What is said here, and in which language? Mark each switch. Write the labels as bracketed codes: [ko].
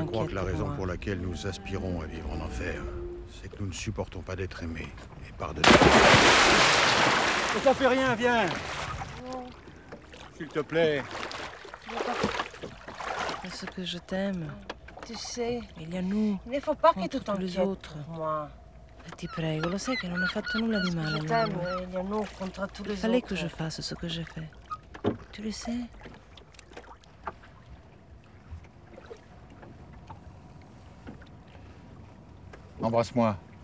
[fr] Je crois que la raison pour laquelle nous aspirons à vivre en enfer, c'est que nous ne supportons pas d'être aimés. Et pardonne. Ça fait rien, viens. Non. S'il te plaît. Je veux pas. Parce que je t'aime. Tu sais. Il y a nous. Il ne faut pas que tu t'inquiètes. Entre les autres. Moi. [it] Ti prego, lo sai che non ho fatto nulla di male. [fr] Je t'aime, il y a nous contre tous les autres. Il fallait que je fasse ce que j'ai fait. Tu le sais? Embrasse-moi.